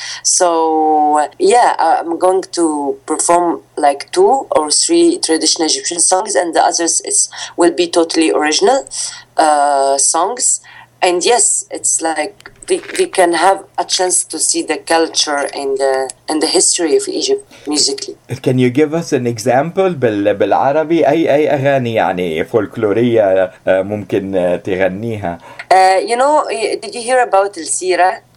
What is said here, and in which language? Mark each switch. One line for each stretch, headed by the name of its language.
English: So yeah, I'm going to perform like two or three traditional Egyptian songs, and the others will be totally original songs. And yes, it's like we can have a chance to see the culture and the history of Egypt musically. Can you give us an example
Arabic: بال عربي أي أغاني يعني فولكلورية ممكن تغنيها؟
English: You know, did you hear about El Sira?